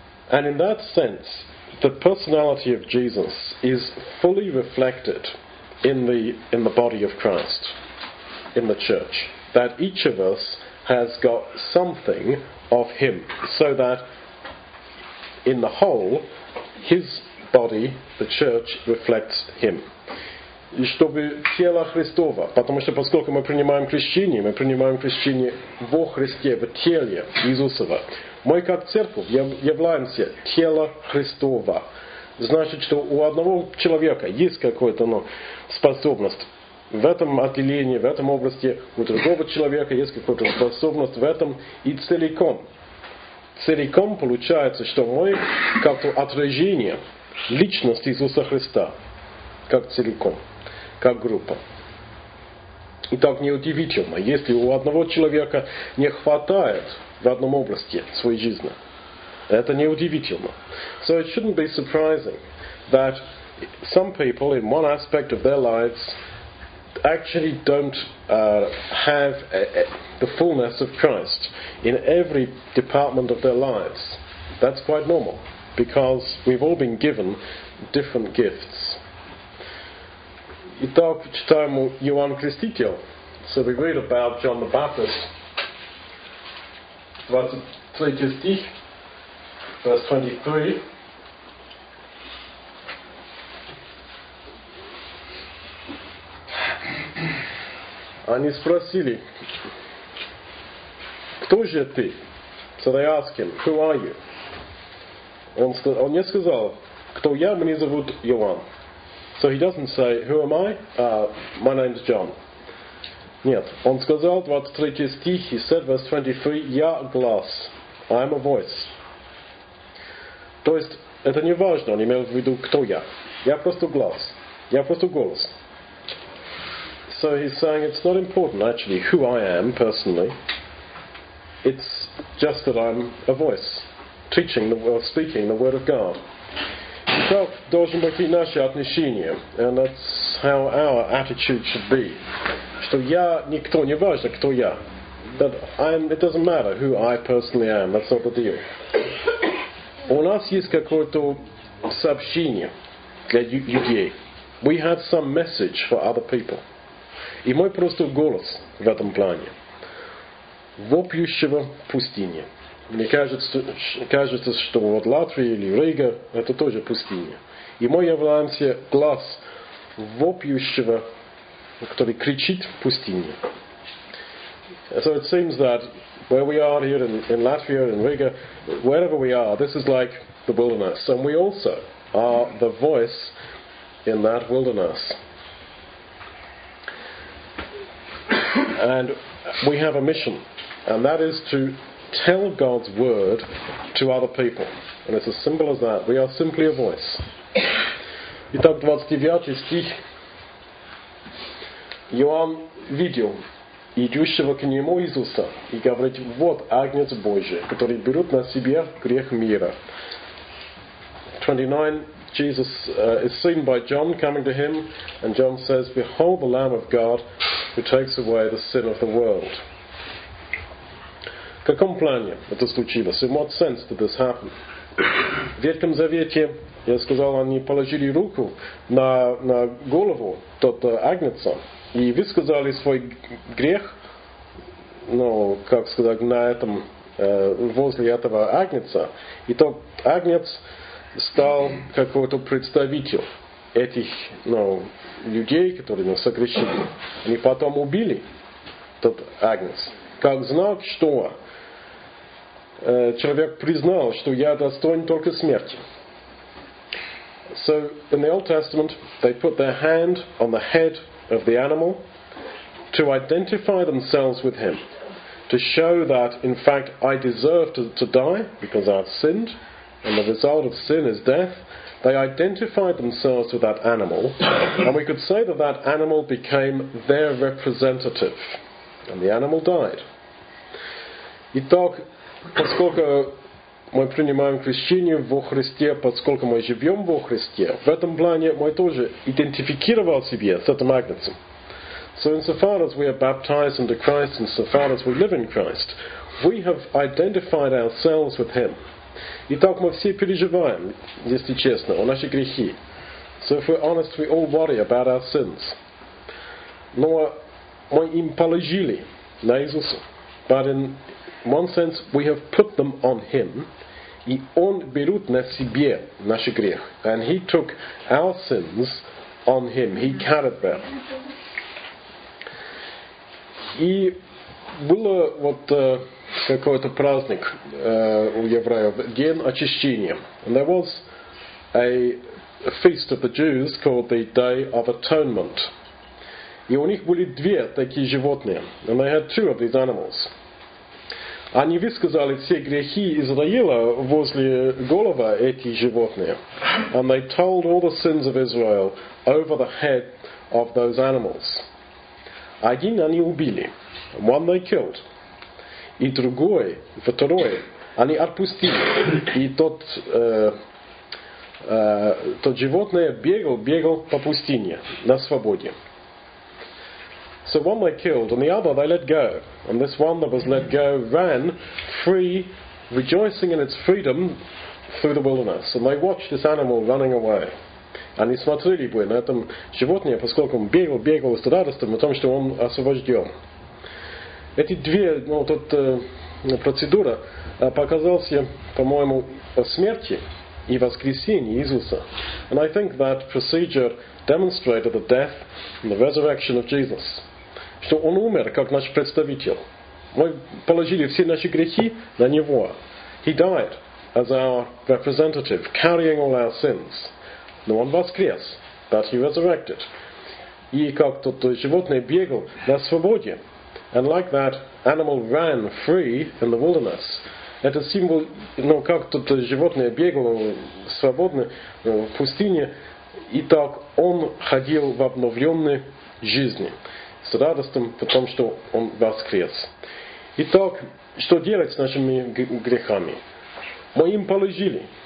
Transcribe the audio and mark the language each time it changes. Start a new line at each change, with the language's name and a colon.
English: And in that sense, the personality of Jesus is fully reflected in the body of Christ, in the church, that each of us has got something of him, so that in the whole, his body, the church, reflects him.
Russian: и чтобы тело Христово, потому что поскольку мы принимаем крещение во Христе, в теле Иисусова, мы как церковь являемся тело Христово. Значит, что у одного человека есть какая-то способность в этом отделении, в этом области, у другого человека есть какая-то способность в этом и целиком. Целиком получается, что мы как-то отражение личности Иисуса Христа, как целиком, как группа. И так неудивительно, если у одного человека не хватает в одном области своей жизни. Это неудивительно.
English: So it shouldn't be surprising that some people in one aspect of their lives actually don't have the fullness of Christ in every department of their lives. That's quite normal, because we've all been given different gifts.
Russian: Итак, читаем Иоанн Креститель.
English: So we read about John the Baptist.
Russian: 23 стих,
English: verse 23.
Russian: Они спросили, кто же ты?
English: So they asked him, who are you?
Russian: Он не сказал, кто я, меня зовут Иоанн.
English: So he doesn't say, who am I? My name is John.
Russian: Нет, он сказал, 23 стих,
English: he said, verse 23,
Russian: я глас,
English: I am a voice.
Russian: То есть, это не важно, он имел в виду, кто я. Я просто глас, я просто голос.
English: So he's saying it's not important actually who I am personally. It's just that I'm a voice, teaching the word, speaking the word of God.
Russian: Итак, должен быть наше отношение,
English: and that's how our attitude should be.
Russian: Что я никто, не важно кто я.
English: That I'm, it doesn't matter who I personally am. That's not the deal.
Russian: У нас есть какое-то сообщение для людей.
English: We have some message for other people.
Russian: И мой просто голос в этом плане. Вопиющего пустыня. Мне кажется, что вот Латвия или Рига, это тоже пустыня. И мы являемся глас вопиющего, который кричит в пустыне.
English: So it seems that where we are here in Latvia, in Riga, wherever we are, this is like the wilderness. And we also are the voice in that wilderness. And we have a mission, and that is to tell God's word to other people. And it's as simple as that. We are simply a voice.
Russian: Итак, 29 стих. Иоанн видел идущего к нему Иисуса и говорит, вот Агнец Божий, который берет на себя грех мира.
English: 29, Jesus is seen by John coming to him, and John says, behold the Lamb of God, who takes away the sin of the world.
Russian: В каком плане это случилось?
English: In what sense did this happen?
Russian: В Ветхом Завете, я сказал, они положили руку на голову тот Агнеца и высказали свой грех, как сказать, на этом, возле этого Агнеца. И тот Агнец стал какой-то представителем этих людей, которые нас согрешили. Они потом убили тот Агнец. Как знак, что человек признал, что я достоин только смерти.
English: So, in the Old Testament, they put their hand on the head of the animal to identify themselves with him, to show that, in fact, I deserve to die because I have sinned, and the result of sin is death. They identified themselves with that animal, and we could say that that animal became their representative, and the animal died.
Russian: Итак, поскольку мы принимаем крещение во Христе, поскольку мы живем во Христе, в этом плане мы тоже идентифицировали себя с этим Агнцем.
English: So insofar as we are baptized into Christ, insofar as we live in Christ, we have identified ourselves with Him.
Russian: Итак, мы все переживаем, если честно, о наши грехи.
English: So if we're honest, we all worry about our sins.
Russian: Но мы им положили на Иисуса.
English: But in one sense, we have put them on Him.
Russian: И Он берет на себе наши грехи.
English: And He took our sins on him. He carried them.
Russian: И было вот какой-то праздник у евреев, день очищения.
English: And there was a feast of the Jews called the Day of Atonement.
Russian: И у них были две такие животные.
English: And they had two of these animals.
Russian: Они высказали все грехи Израиля возле головы этих животных.
English: And they told all the sins of Israel over the head of those animals.
Russian: Один они убили.
English: One they killed.
Russian: И другой, второй, они отпустили. И тот животное бегал по пустыне на свободе.
English: So one they killed, and the other they let go. And this one that was let go ran free, rejoicing in its freedom through the wilderness. And they watched this animal running away.
Russian: Они смотрели бы на этом животное, поскольку он бегал с радостью о том, что он освобожден. Эти две, ну, тут процедура показалась, по-моему, о смерти и воскресении Иисуса.
English: And I think that procedure demonstrated the death and the resurrection of Jesus.
Russian: Что он умер, как наш представитель. Мы положили все наши грехи на него.
English: He died as our representative, carrying all our sins.
Russian: Но он воскрес,
English: but he resurrected.
Russian: И как тот животное бегал на свободе.
English: And like that animal ran free in the wilderness.
Russian: Это символ, ну, как тот животное бегало свободно в пустыне, и так он ходил в обновленной жизни. С радостью, потому что он воскрес. Итак, что делать с нашими грехами? Мы им положили.